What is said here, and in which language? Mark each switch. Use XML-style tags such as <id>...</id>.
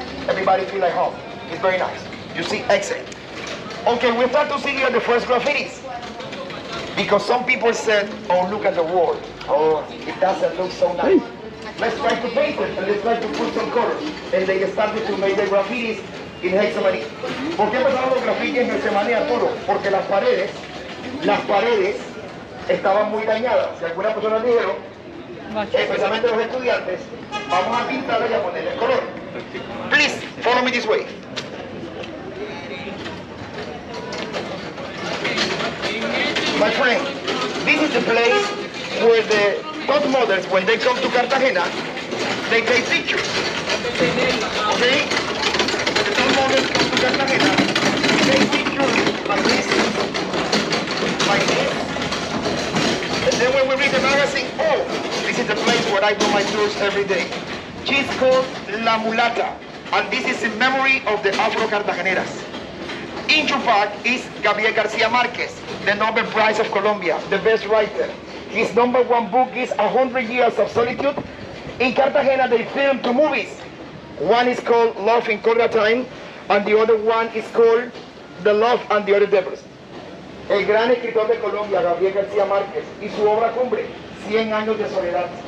<en>Everybody feel like home. It's very nice. You see, exit. Okay, we start to see here the first graffitis. Because some people said, oh, look at the wall. Oh, it doesn't look so nice. Hey. Let's try to paint it and let's try to put some colors. And they started to make the graffitis in Getsemani.</en> <es>¿Por qué empezaron los graffitis en Getsemani, Arturo? Porque las paredes estaban muy dañadas. Si algunas personas dijeron, especialmente los estudiantes, vamos a pintarlas y a ponerle color.</es> <en>Please, follow me this way. My friend, this is the place where the top models, when they come to Cartagena, they take pictures. Okay? The top models come to Cartagena, they take pictures like this. And then when we read the magazine, oh, this This is the place where I do my tours every day. She's called La Mulata, and this is in memory of the Afro Cartageneras. In your bag is Gabriel Garcia Marquez, the Nobel Prize of Colombia, the best writer. His number one book is 100 Years of Solitude. In Cartagena, they filmed two movies. One is called Love in Cobra Time, and the other one is called The Love and the Other Devils.</en> <es>El gran escritor de Colombia, Gabriel García Márquez, y su obra cumbre, 100 años de soledad.</es>